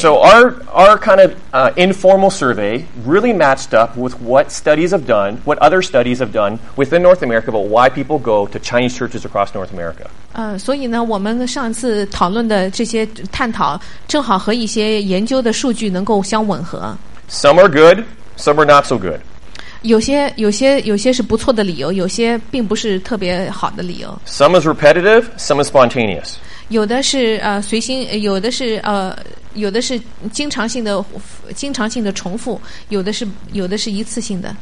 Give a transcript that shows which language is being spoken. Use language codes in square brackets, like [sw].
[en] So our kind of informal survey really matched up with what studies have done, what other studies have done within North America about why people go to Chinese churches across North America. [zh] 所以呢，我们上次讨论的这些探讨，正好和一些研究的数据能够相吻合。 [en] Some are good, some are not so good. [zh] 有些是不错的理由有些并不是特别好的理由 [en] Some is repetitive, some is spontaneous [zh] 有的是经常性的重复有的是一次性的